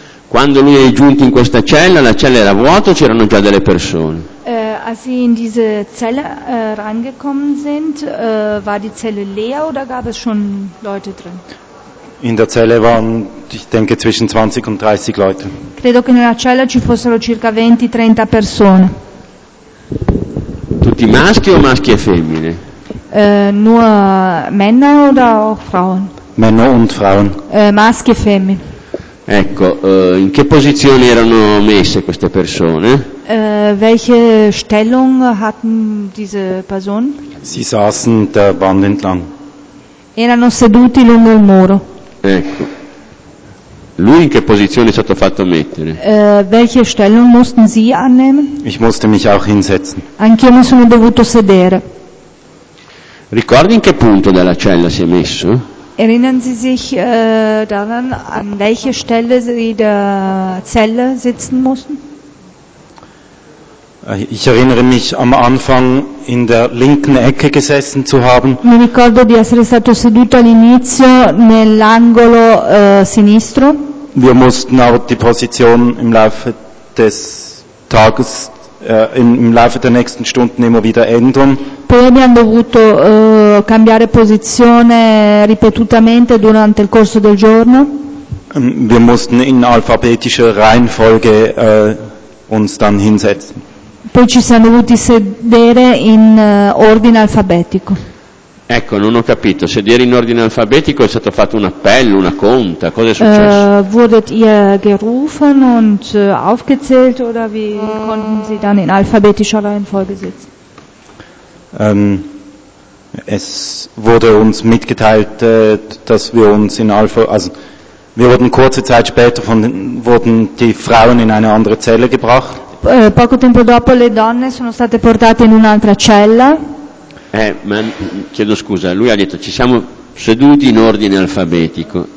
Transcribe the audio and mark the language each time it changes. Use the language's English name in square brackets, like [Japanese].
[Italian] Quando lui è giunto in questa cella, la cella era vuota o c'erano già delle persone? [German] Als sie in diese Zelle rangekommen sind, war die Zelle leer oder gab es schon Leute drin? In der Zelle waren, ich denke, zwischen 20 und 30 Leute. [Italian] Credo che nella cella ci fossero circa 20-30 persone. Tutti maschi o maschi e femmine? [German] Nur Männer oder auch Frauen? Männer und Frauen. [Italian] Maschi e femmine. Ecco, in che posizione erano messe queste persone? [German] Welche Stellung hatten diese Personen? Sie saßen der Wand entlang. [Italian] Erano seduti lungo il muro. Ecco. Lui in che posizione è stato fatto mettere? [German] Welche Stellung mussten Sie annehmen? Ich musste mich auch hinsetzen. [Italian] Anch'io mi sono dovuto sedere. Ricordi in che punto della cella si è messo? [German] Erinnern Sie sich daran, an welcher Stelle Sie der Zelle sitzen mussten? Ich erinnere mich, am Anfang in der linken Ecke gesessen zu haben. [Italian] Mi ricordo di essere stato seduto all'inizio nell'angolo sinistro. [German] Wir mussten auch die Position im Laufe des Tages, im Laufe der nächsten Stunden immer wieder ändern. [Italian] Poi abbiamo dovuto cambiare posizione ripetutamente durante il corso del giorno. [German] Wir mussten in alphabetischer Reihenfolge uns dann hinsetzen. [Italian] Poi ci siamo dovuti sedere in ordine alfabetico. Ecco, non ho capito. Sedere in ordine alfabetico è stato fatto un appello, una conta. Cosa è successo? [German] Wurdet ihr gerufen und aufgezählt oder wie konnten Sie dann in alphabetischer Reihenfolge sitzen? Es wurde uns mitgeteilt, dass wir uns in also wir wurden kurze Zeit später wurden die Frauen in eine andere Zelle gebracht. [Italian] Poco tempo dopo le donne sono state portate in un'altra cella. Ma chiedo scusa, lui ha detto ci siamo seduti in ordine alfabetico.